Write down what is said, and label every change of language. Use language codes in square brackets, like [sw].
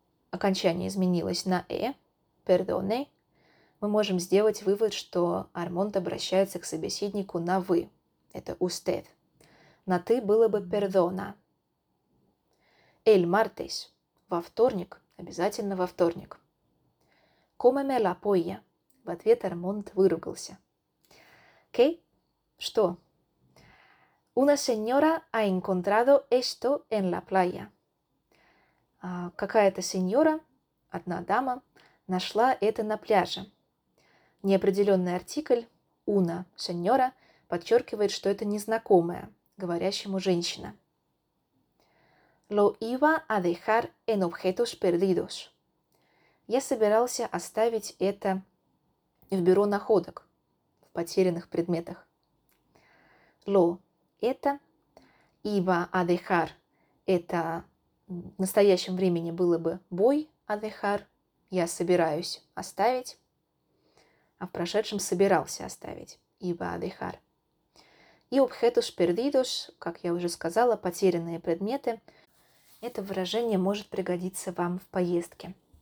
[ru] Окончание изменилось на «э», «perdone», мы можем сделать вывод, что Армонд обращается к собеседнику на «вы», это «usted». На «ты» было бы «perdona». [es] «El martes» [ru] – во вторник, обязательно во вторник. [es] «Cómeme la polla» [ru] – в ответ Армонд выругался. [es] «Qué?» – что? «Una señora ha encontrado esto en la playa». [ru] Какая-то сеньора, одна дама, нашла это на пляже. Неопределенный артикль «una» сеньора подчеркивает, что это незнакомая говорящему женщина. [es] Lo iba a dejar en objetos perdidos. [ru] Я собирался оставить это в бюро находок, в потерянных предметах. Lo – это, [es] iba a dejar [ru] – это... В настоящем времени было бы [es] «voy a dejar» [ru] – «я собираюсь оставить», а в прошедшем «собирался оставить» – [es] «iba a dejar». [ru] И [es] «objetos perdidos», [ru] как я уже сказала, «потерянные предметы» – это выражение может пригодиться вам в поездке.